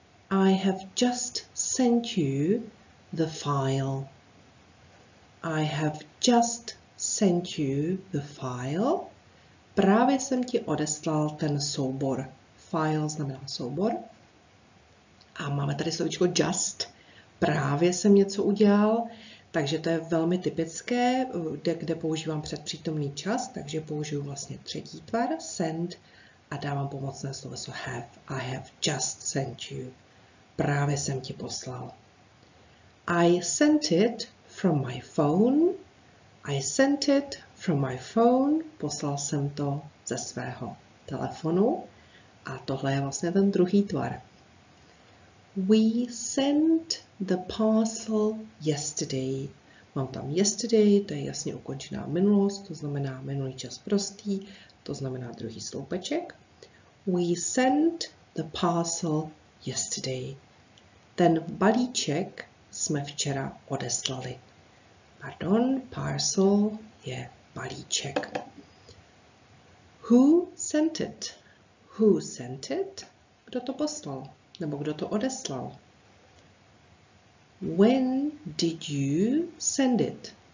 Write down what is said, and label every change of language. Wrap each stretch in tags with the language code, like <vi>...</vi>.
<en>I have just sent you the file. I have just sent you the file.</en> <cs>Právě jsem ti odeslal ten soubor. File znamená soubor. A máme tady slovíčko just. Právě jsem něco udělal. Takže to je velmi typické, kde používám předpřítomný čas. Takže použiju vlastně třetí tvar, send. A dávám pomocné sloveso have.</cs> <en>I have just sent you.</en> <cs>Právě jsem ti poslal.</cs> <en>I sent it from my phone. I sent it from my phone.</en> <cs>Poslal jsem to ze svého telefonu. A tohle je vlastně ten druhý tvar.</cs> <en>We sent the parcel yesterday.</en> <cs>Mám tam yesterday, to je jasně ukončená minulost. To znamená minulý čas prostý. To znamená druhý sloupeček.</cs> <en>We sent the parcel yesterday.</en> <cs>Ten balíček jsme včera odeslali. Pardon, parcel je balíček.</cs> <en>Who sent it? Who sent it?</en> <cs>Kdo to poslal? Nebo kdo to odeslal?</cs> <en>When did you send it?</en>